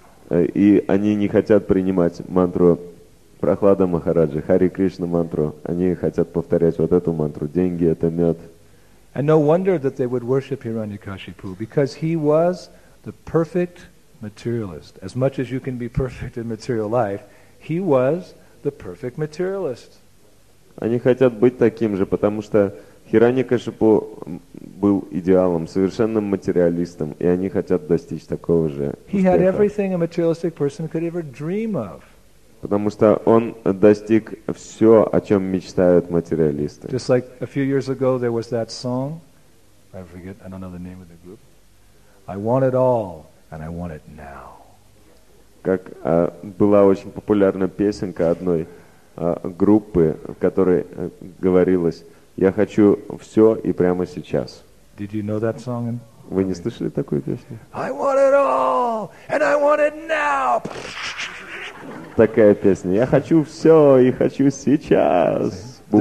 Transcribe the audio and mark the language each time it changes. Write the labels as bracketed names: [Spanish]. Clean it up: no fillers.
[Russian] И они не хотят принимать мантру Прохлада Махараджи, Хари Кришна мантру. Они хотят повторять вот эту мантру. Деньги — это мед. [English] And no wonder that they would worship Hiranyakashipu, because he was the perfect materialist. As much as you can be perfect in material life, he was the perfect materialist. [Russian] Они хотят быть таким же, потому что Хиранья-Кашипу был идеалом, совершенным материалистом, и они хотят достичь такого же успеха. [English] He had everything a materialistic person could ever dream of. [Russian] Потому что он достиг все, о чем мечтают материалисты. [English] Just like a few years ago there was that song, I don't know the name of the group, I want it all. And I want it now. [Russian] Как была очень популярна песенка одной группы, в которой говорилось: «Я хочу все и прямо сейчас». [English] Did you know that song? [Russian] Вы не слышали такую песню? [English] I want it all, and I want it now. [Russian] Такая песня: «Я хочу все и хочу сейчас».